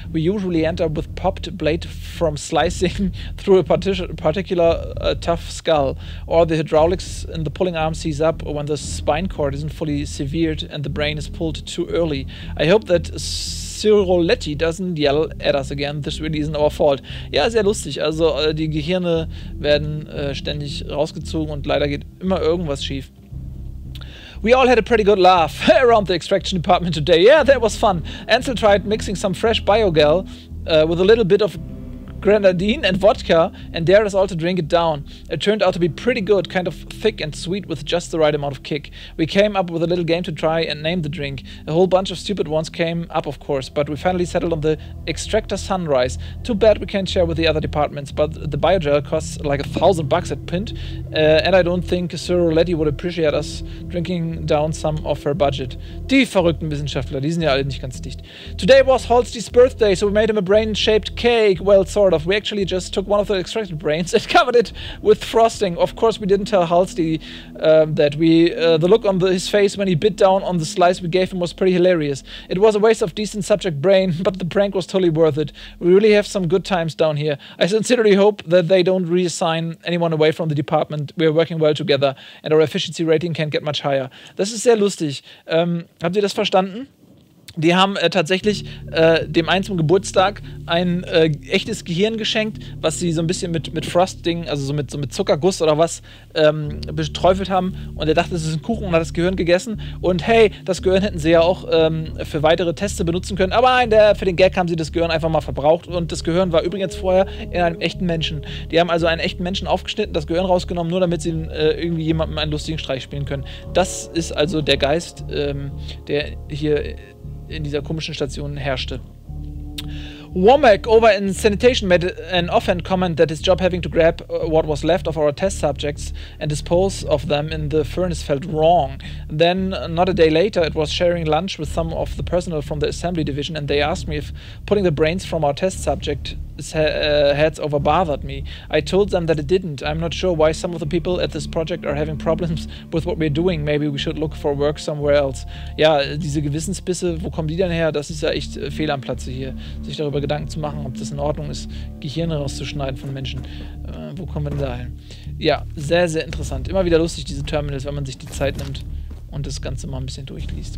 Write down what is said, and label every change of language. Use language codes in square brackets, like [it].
[en] We usually end up with popped blade from slicing through a particular tough skull. Or the hydraulics in the pulling arm seize up when the spine cord isn't fully severed and the brain is pulled too early. I hope that Ciroletti doesn't yell at us again. This really isn't our fault. Ja, sehr lustig. [de] Also die Gehirne werden ständig rausgezogen und leider geht immer irgendwas schief. [en] We all had a pretty good laugh around the extraction department today. Yeah, that was fun. Ansel tried mixing some fresh biogel with a little bit of grenadine and vodka and dared us all to drink it down. It turned out to be pretty good, kind of thick and sweet with just the right amount of kick. We came up with a little game to try and name the drink. A whole bunch of stupid ones came up, of course, but we finally settled on the Extractor Sunrise. Too bad we can't share with the other departments, but the biogel costs like $1,000 at Pint, and I don't think Sir Roletti would appreciate us drinking down some of her budget. [de] Die verrückten Wissenschaftler, die sind ja alle nicht ganz dicht. [en] Today was Halsey's birthday, so we made him a brain-shaped cake. Well, sort of. We actually just took one of the extracted brains and covered it with frosting. Of course, we didn't tell Halsey that. The look on his face when he bit down on the slice we gave him was pretty hilarious. It was a waste of decent subject brain, but the prank was totally worth it. We really have some good times down here. I sincerely hope that they don't reassign anyone away from the department. We are working well together and our efficiency rating can't get much higher. [de] Das ist sehr lustig. Habt ihr das verstanden? Die haben tatsächlich dem einen zum Geburtstag ein echtes Gehirn geschenkt, was sie so ein bisschen mit Frosting, also so mit Zuckerguss oder was, beträufelt haben. Und er dachte, es ist ein Kuchen und hat das Gehirn gegessen. Und hey, das Gehirn hätten sie ja auch für weitere Teste benutzen können. Aber nein, für den Gag haben sie das Gehirn einfach mal verbraucht. Und das Gehirn war übrigens vorher in einem echten Menschen. Die haben also einen echten Menschen aufgeschnitten, das Gehirn rausgenommen, nur damit sie irgendwie jemandem einen lustigen Streich spielen können. Das ist also der Geist, der hier in dieser komischen Station herrschte. [en] Womack over in sanitation made an offhand comment that his job having to grab what was left of our test subjects and dispose of them in the furnace felt wrong. Then, not a day later, it was sharing lunch with some of the personnel from the assembly division and they asked me if putting the brains from our test subject heads over bothered me. I told them that it didn't. I'm not sure why some of the people at this project are having problems with what we're doing. Maybe we should look for work somewhere else. [de] Ja, diese Gewissensbisse, wo kommen die denn her? Das ist ja echt fehl am Platze hier, sich darüber Gedanken zu machen, ob das in Ordnung ist, Gehirne rauszuschneiden von Menschen. Wo kommen wir denn da hin? Ja, sehr, sehr interessant. Immer wieder lustig, diese Terminals, wenn man sich die Zeit nimmt und das Ganze mal ein bisschen durchliest.